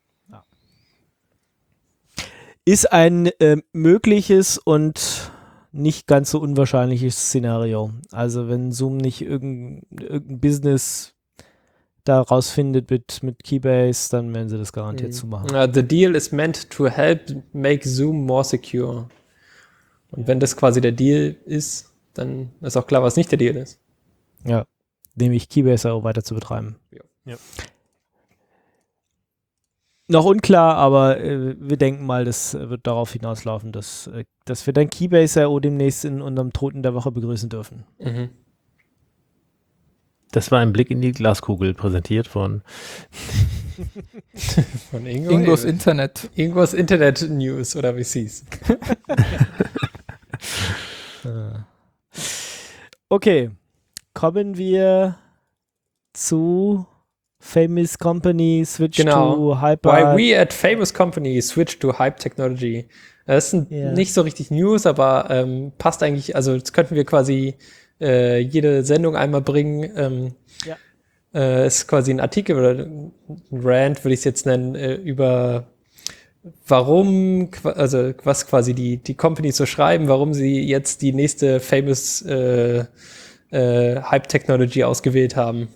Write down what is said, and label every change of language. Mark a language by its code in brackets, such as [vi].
[de] Ja. Ist ein mögliches und nicht ganz so unwahrscheinliches Szenario. Also wenn Zoom nicht irgendein Business daraus findet mit Keybase, dann werden sie das garantiert zumachen. [en] The deal is meant to help make Zoom more secure. [de] Und wenn das quasi der Deal ist, dann ist auch klar, was nicht der Deal ist. Ja, nämlich Keybase auch weiter zu betreiben. Ja. Noch unklar, aber wir denken mal, das wird darauf hinauslaufen, dass wir dann Keybase.io demnächst in unserem Toten der Woche begrüßen dürfen. Mhm. Das war ein Blick in die Glaskugel, präsentiert von, von Ingos Internet. Ingos Internet News, oder wie es hieß. Okay, kommen wir zu Famous Company Switch to Hype. [en] Why we at Famous Company Switch to Hype Technology. [de] Das ist nicht so richtig News, aber passt eigentlich, also jetzt könnten wir quasi jede Sendung einmal bringen. Ist quasi ein Artikel oder ein Rant, würde ich es jetzt nennen, über warum, also was quasi die Companies so schreiben, warum sie jetzt die nächste Famous Hype-Technology ausgewählt haben.